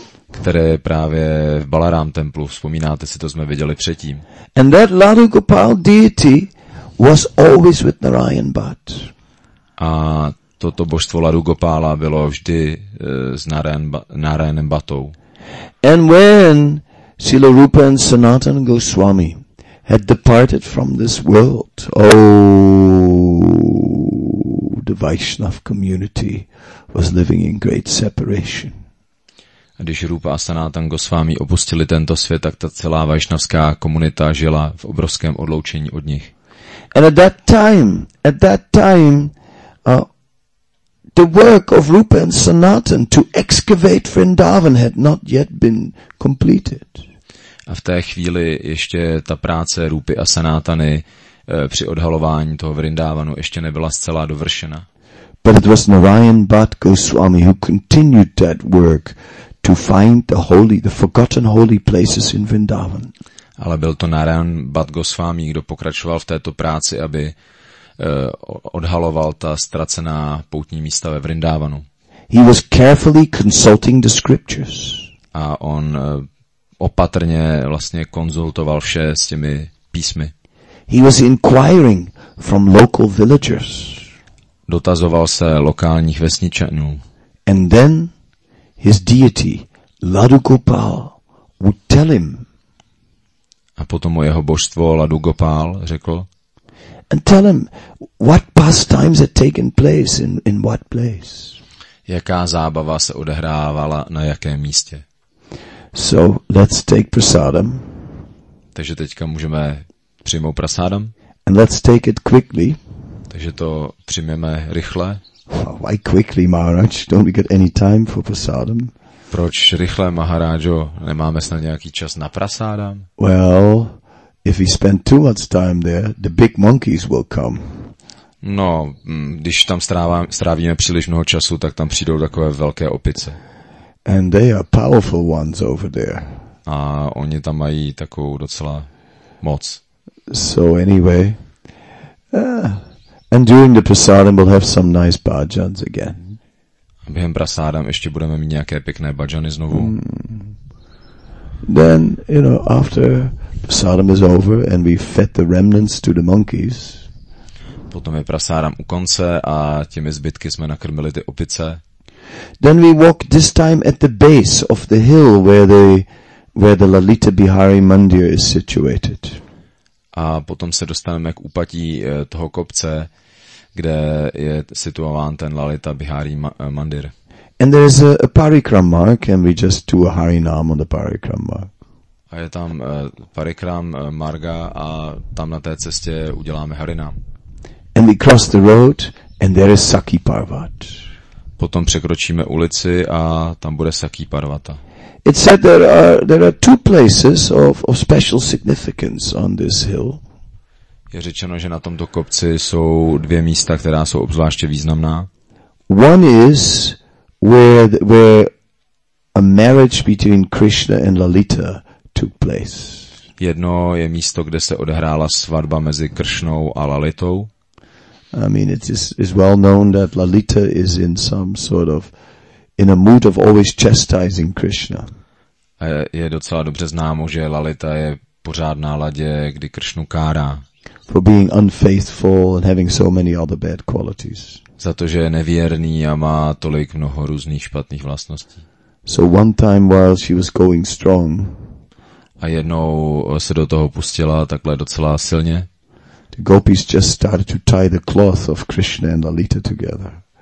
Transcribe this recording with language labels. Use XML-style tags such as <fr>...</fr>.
<cs>Které právě v Balaram templu, vzpomínáte si, to jsme viděli předtím.</cs> <en>And that Ladu Gopal deity was always with Narayan Bhatt.</en> <cs>A toto božstvo Ladu Gopala bylo vždy s Narayanem Bhattou.</cs> <en>And when Srila Rupa and Sanatan Goswami had departed from this world, oh, the Vaishnav community was living in great separation.</en> <cs>Když Rupa a Sanatan Goswami opustili tento svět, tak ta celá vaishnavská komunita žila v obrovském odloučení od nich.</cs> <en>And at that time, The work of Rupa and Sanatan to excavate Vrindavan had not yet been completed.</en> <cs>A v té chvíli ještě ta práce Rupy a Sanatany při odhalování toho Vrindavanu ještě nebyla zcela dovršena.</cs> <en>But it was Narayan Bhatt Goswami who continued that work to find the holy, the forgotten holy places in Vrindavan.</en> <cs>Ale byl to Narayan Bhatt Goswami, kdo pokračoval v této práci, aby odhaloval ta ztracená poutní místa ve Vrindavanu.</cs> <en>He was carefully consulting the scriptures.</en> <cs>A on opatrně vlastně konzultoval vše s těmi písmy.</cs> <en>He was inquiring from local villagers.</en> <cs>Dotazoval se lokálních vesničanů.</cs> <en>And then his deity Ladugopal would tell him.</en> <cs>A potom o jeho božstvo Ladugopal řekl.</cs> <en>And tell him what pastimes had taken place in what place.</en> <cs>Jaká zábava se odehrávala na jakém místě.</cs> <en>So let's take prasadam.</en> <cs>Takže teďka můžeme přijmout prasadam.</cs> <en>And let's take it quickly.</en> <cs>Takže to přijmeme rychle.</cs> <en>Why quickly, Maharaj? Don't we get any time for prasadam?</en> <cs>Proč rychle, Maharajo? Nemáme snad nějaký čas na prasadam?</cs> <en>Well, if we spend too much time there, the big monkeys will come.</en> <cs>No, když tam strávíme příliš mnoho času, tak tam přijdou takové velké opice.</cs> <en>And they are powerful ones over there.</en> <cs>A oni tam mají takovou docela moc.</cs> <en>So anyway, and during the prasadam we'll have some nice bhajans again.</en> <cs>A během prasadam ještě budeme mít nějaké pěkné bhajany znovu. Mm.</cs> <en>Then, you know, after prasadam is over and we fed the remnants to the monkeys.</en> <cs>Potom je prasadam u konce a těmi zbytky jsme nakrmili ty opice.</cs> <en>Then we walk this time at the base of the hill where the Lalita Bihari Mandir is situated.</en> <cs>A potom se dostaneme k úpatí toho kopce, kde je situován ten Lalita Bihari Mandir.</cs> <en>And there is a parikram mark and we just do a hari nam on the parikram mark.</en> <cs>A je tam parikram marga a tam na té cestě uděláme hari nam.</cs> <en>And we cross the road and there is Saki Parvat.</en> <cs>Potom překročíme ulici a tam bude Saki Parvata.</cs> <en>It said there are two places of special significance on this hill.</en> <cs>Je řečeno, že na tomto kopci jsou dvě místa, která jsou obzvláště významná.</cs> <en>One is where a marriage between Krishna and Lalita took place.</en> <cs>Jedno je místo, kde se odehrála svatba mezi Kršnou a Lalitou.</cs> <en>I mean, it is well known that Lalita is in some sort of in a mood of always chastising Krishna.</en> <cs>Je docela dobře známo, že Lalita je pořád na ladě, kdy Kršnu kárá.</cs> <en>For being unfaithful and having so many other bad qualities.</en> <cs>Za to, že je nevěrný a má tolik mnoho různých špatných vlastností.</cs> <en>So one time while she was going strong.</en> <cs>A jednou se do toho pustila takhle docela silně.</cs> <en>The gopis just started to tie the cloth of Krishna and Lalita together.</en>